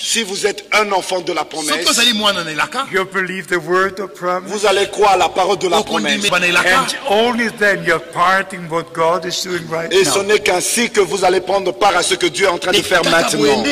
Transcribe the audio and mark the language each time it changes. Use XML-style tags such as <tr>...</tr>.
<fr>si vous êtes un enfant de la promesse,</fr> <en>you believe the word of promise,</en> <fr>vous allez croire la parole de la promesse,</fr> <en>and only then you're part in what God is doing right</en> <fr>et</fr> <en>now.</en> <fr>Ce n'est qu'ainsi que vous allez prendre part à ce que Dieu est en train de faire maintenant.</fr>